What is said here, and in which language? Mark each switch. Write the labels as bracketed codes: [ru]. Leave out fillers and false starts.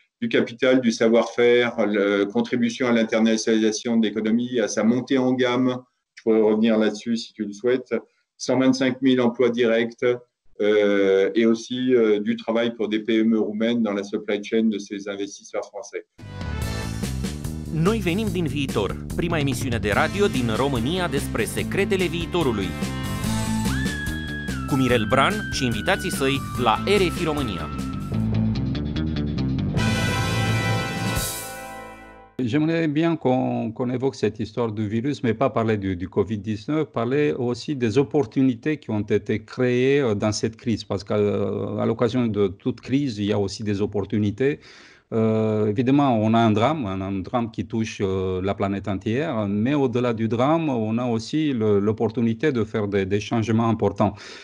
[fr] Du capital, du savoir-faire, la contribution à l'internationalisation de l'économie, à sa montée en gamme. Je pourrais revenir là-dessus si tu le souhaites. 125 000 emplois directs et aussi du travail pour des PME roumaines dans la supply chain de ces investisseurs français. [ro] Noi venim din viitor, prima emisiune de radio din România despre secretele viitorului. Cu Mirel Bran și invitații săi la RFI România. [fr] J'aimerais bien qu'on évoque cette histoire du virus, mais pas parler du Covid-19, parler aussi des opportunités qui ont été créées dans cette crise. Parce qu'à l'occasion de toute crise, il y a aussi des opportunités. Évidemment, on a un drame qui touche la planète entière, mais au-delà du drame, on a aussi l'opportunité de faire des changements importants.